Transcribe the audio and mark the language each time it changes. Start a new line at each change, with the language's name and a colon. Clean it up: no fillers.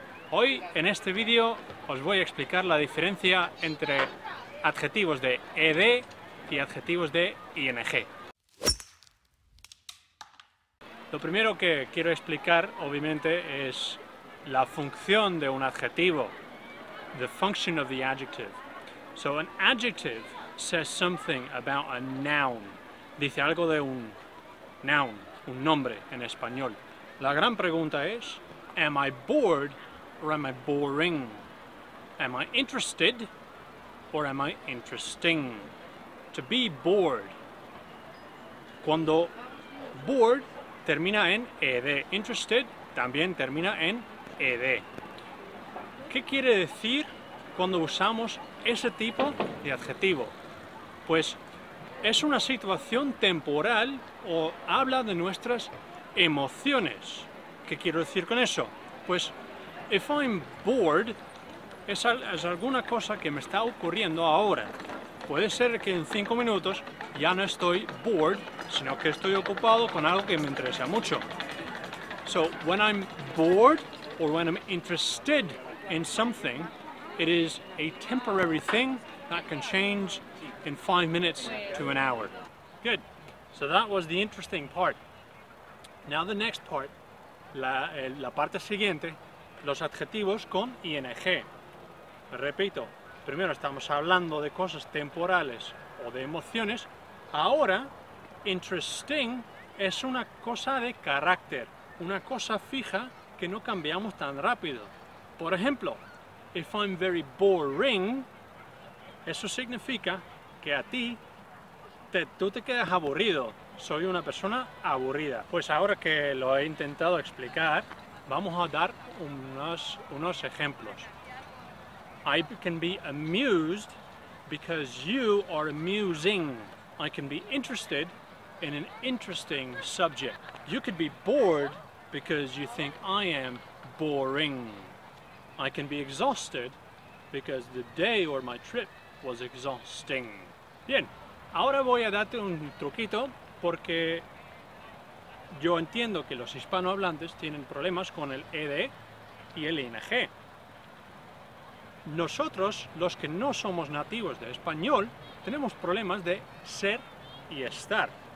Spanish: Hoy en este video os voy a explicar la diferencia entre adjetivos de ed y adjetivos de ing. Lo primero que quiero explicar, obviamente, es la función de un adjetivo.
English: The function of the adjective. So an adjective says something about a noun.
Spanish: Dice algo de un noun, un nombre en español. La gran pregunta es,
English: am I bored or am I boring? Am I interested or am I interesting? To be bored.
Spanish: Cuando bored termina en ed. Interested también termina en ed. ¿Qué quiere decir cuando usamos ese tipo de adjetivo? Pues es una situación temporal o habla de nuestras emociones. ¿Qué quiero decir con eso? Pues
English: if I'm bored
Spanish: es alguna cosa que me está ocurriendo ahora. Puede ser que en 5 minutos ya no estoy bored, sino que estoy ocupado con algo que me interesa mucho.
English: So, when I'm bored or when I'm interested in something, it is a temporary thing that can change in 5 minutes to an hour. Good. So that was the interesting part. Now the next part,
Spanish: la parte siguiente, los adjetivos con ing. Repito. Primero estamos hablando de cosas temporales o de emociones. Ahora, interesting es una cosa de carácter, una cosa fija que no cambiamos tan rápido. Por ejemplo,
English: if I'm very boring,
Spanish: eso significa que a ti, tú te quedas aburrido. Soy una persona aburrida. Pues ahora que lo he intentado explicar, vamos a dar unos ejemplos.
English: I can be amused because you are amusing. I can be interested in an interesting subject. You could be bored because you think I am boring. I can be exhausted because the day or my trip was exhausting.
Spanish: Bien, ahora voy a darte un truquito porque yo entiendo que los hispanohablantes tienen problemas con el ed y el ing. Nosotros, los que no somos nativos de español, tenemos problemas de ser y estar.